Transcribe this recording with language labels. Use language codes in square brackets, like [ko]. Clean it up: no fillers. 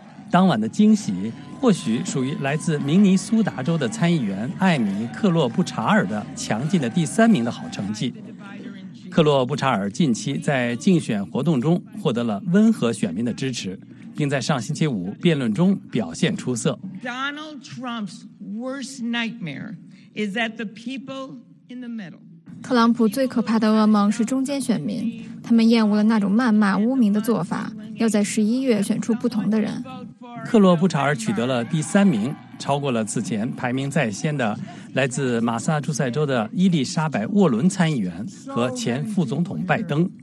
[zh] 当晚的惊喜或许属于来自明尼苏达州的参议员艾米·克洛布查尔的强劲的第三名的好成绩。克洛布查尔近期在竞选活动中获得了温和选民的支持，并在上星期五辩论中表现出色。 [en] Donald Trump's worst nightmare is that the people in the middle。 [zh] 特朗普最可怕的噩梦是中间选民，他们厌恶了那种谩骂污名的做法，要在11月选出不同的人。克洛布查尔取得了第三名，超过了此前排名在先的来自马萨诸塞州的伊丽莎白·沃伦参议员和前副总统拜登。